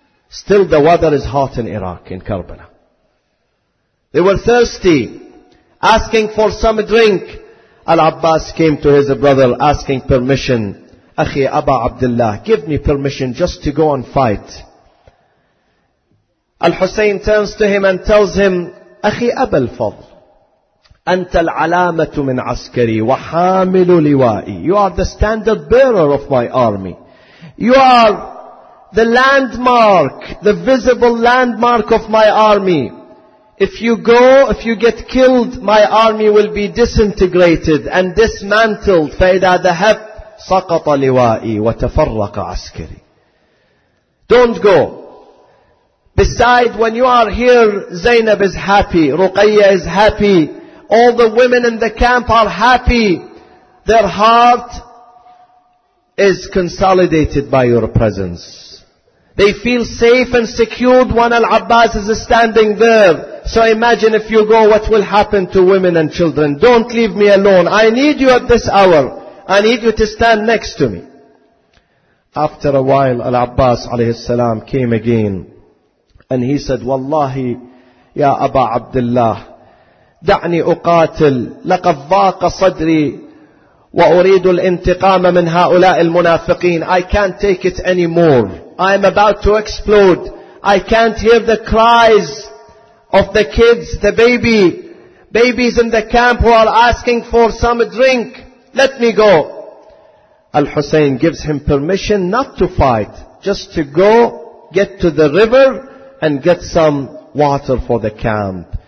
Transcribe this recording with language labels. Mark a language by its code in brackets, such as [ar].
[en] Still the weather is hot in Iraq, in Karbala. They were thirsty, asking for some drink. Al-Abbas came to his brother asking permission. Akhi Aba Abdullah, give me permission just to go and fight. Al-Hussein turns to him and tells him, [ar] أخي أبا الفضل, أنت العلامة من عسكري وحامل لوائي. [en] You are the standard bearer of my army. You are the landmark, the visible landmark of my army. If you get killed, my army will be disintegrated and dismantled. [ar] فإذا ذهب سقط لوائي وتفرق عسكري. [en] Don't go. Beside, when you are here, Zainab is happy, Ruqayya is happy, all the women in the camp are happy. Their heart is consolidated by your presence. They feel safe and secured when Al-Abbas is standing there. So imagine if you go, what will happen to women and children? Don't leave me alone. I need you at this hour. I need you to stand next to me. After a while, Al-Abbas alayhi salam came again. And he said, [ar] Wallahi, Ya Aba Abdullah, دعني أقاتل لقد ضاق صدري وأريد الانتقام من هؤلاء المنافقين. [en] I can't take it anymore. I'm about to explode. I can't hear the cries of the kids, the babies in the camp who are asking for some drink. Let me go. Al-Hussein gives him permission not to fight, just to go get to the river and get some water for the camp.